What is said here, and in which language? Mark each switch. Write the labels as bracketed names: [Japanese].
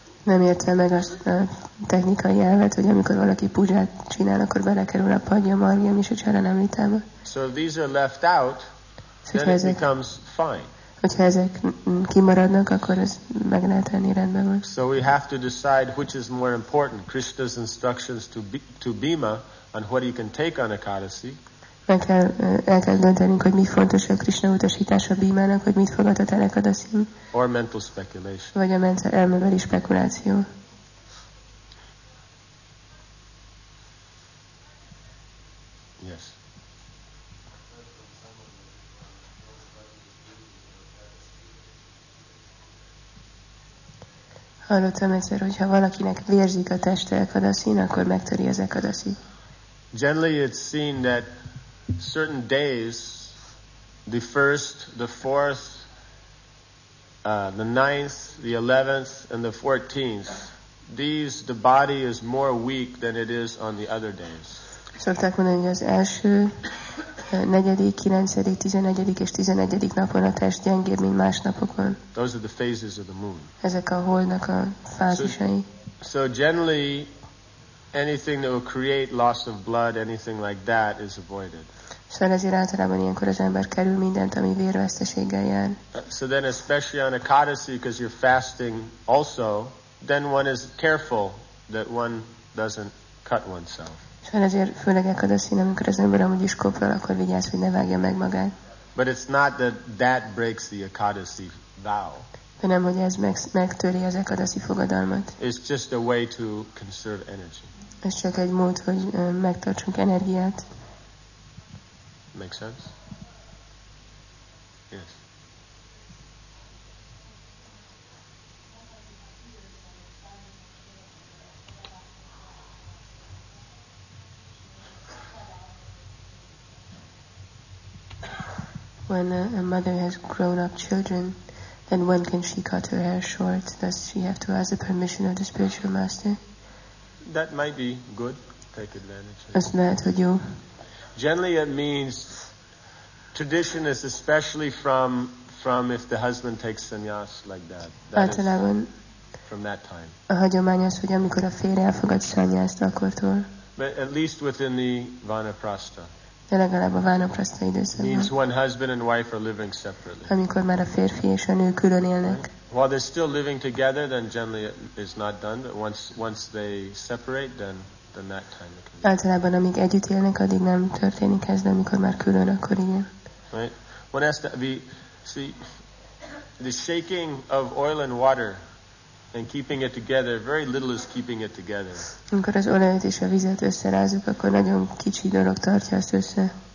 [Hungarian] Nem értem meg azt a technikai elvet, hogy amikor valaki pujat csinál, akkor belekerül a Padyam, Argyam és a Charanamritába. [English] So if these are left out, then it becomes fine. [Hungarian] Hogyha ezek kimaradnak, akkor ez meg lehet tenni, rendben van. [English] So we have to decide which is more important, Krishna's instructions to Bhima on what he can take on Ekadasi. [Hungarian] El kell döntenünk, hogy mi fontosabb, Krishna utasítása Bhimának, hogy mit fogadhat el Ekadasi. [English] Or mental speculation. [Hungarian] Vagy a mentál elmebeli spekuláció. [English] Yes. [Hungarian] Hallottam egyszer, hogyha valakinek vérzik a teste Ekadasin, akkor megtöri az Ekadasi. [English] Generally it's seen that certain days, the first, the fourth, the ninth, the 11th, and the 14th, the body is more weak than it is on the other days. [Hungarian] Szokták mondani, hogy az első, negyedik, kilencedik, tizenegyedik és tizenegyedik napon a test gyengébb, mint más napokon. [English] Those are the phases of the moon. [Hungarian] Ezek a holdnak a fázisai. [English] So generally, anything that will create loss of blood, anything like that, is avoided. [Hungarian] Szóval ezért általában ilyenkor az ember kerül mindent, ami vérveszteséggel jár. [English] So then especially on Ekadasi, because you're fasting also, then one is careful that one doesn't cut oneself. [Hungarian] Szóval ezért főleg Ekadasin, amikor az ember amúgy is kopral, akkor vigyázz, hogy ne vágja meg magát. [English] But it's not that breaks the Ekadasi vow. [Hungarian] De nem, hogy ez megtöri az Ekadasi fogadalmat. [English] It's just a way to conserve energy. [Hungarian] Ez csak egy mód, hogy megtartsunk energiát. [English] Make sense? Yes. When a mother has grown up children, then when can she cut her hair short? Does she have to ask the permission of the spiritual master? That might be good. Take advantage of it. [Hungarian] Azt lehet, hogy jó. [English] Generally it means tradition is especially from if the husband takes sannyas like that. [Hungarian] Általában [English] from that time. [Hungarian] A hagyomány az, hogy amikor a férje elfogad sannyast akkortól. [English] But at least within the vanaprastha. [Hungarian] De legalább a vanaprastha időszakban. [English] Means when husband and wife are living separately. [Hungarian] Amikor már a férfi és a nő külön élnek. [English] While they're still living together, then generally it's not done. But once they separate, then that time it can be. [Hungarian] Általában amíg együtt élnek, addig nem történik ez, de amikor már külön, akkor igen. [English] Right. One has to be, see, the shaking of oil and water and keeping it together, very little is keeping it together. [Hungarian] Amikor az olajat és a vizet összerázunk, akkor nagyon kicsi dolog tartja ezt össze.